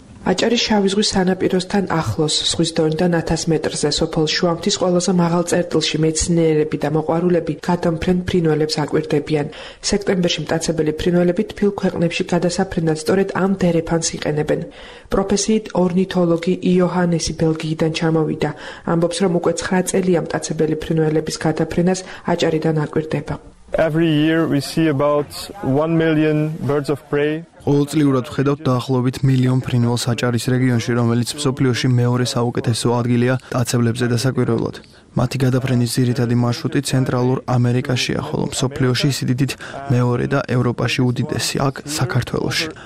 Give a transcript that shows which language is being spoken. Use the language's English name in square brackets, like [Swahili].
[Georgian] აჭარის შავი ზღვის სანაპიროსთან ახლოს, ზღვის დონიდან 1000 მეტრზე, სოფელ შუამთის ყველაზე მაღალ წერტილში მეცნიერები და მოყვარულები გადამფრენ ფრინველებს აკვირდებიან. სექტემბერში მტაცებელი ფრინველები თბილ ქვეყნებში გადასაფრენად სწორედ ამ დერეფანს იყენებენ. პროფესიით ორნითოლოგი იოჰანესი ბელგიიდან ჩამოვიდა, ამბობს, რომ უკვე 9 წელია მტაცებელი ფრინველების გადაფრენას აჭარიდან აკვირდება. [English] Every year we see about 1 million birds of prey. [Georgian] ყოველწლიურად ვხედავთ დაახლოებით მილიონ ფრინველს აჭარის რეგიონში, რომელიც მსოფლიოში მეორე საუკეთესო ადგილია მტაცებლებზე დასაკვირველად. მათი გადაფრენის ძირითადი მარშრუტი ცენტრალურ ამერიკაშია, ხოლო მსოფლიოში სიდიდით მეორე და ევროპაში უდიდესი აქ საქართველოში.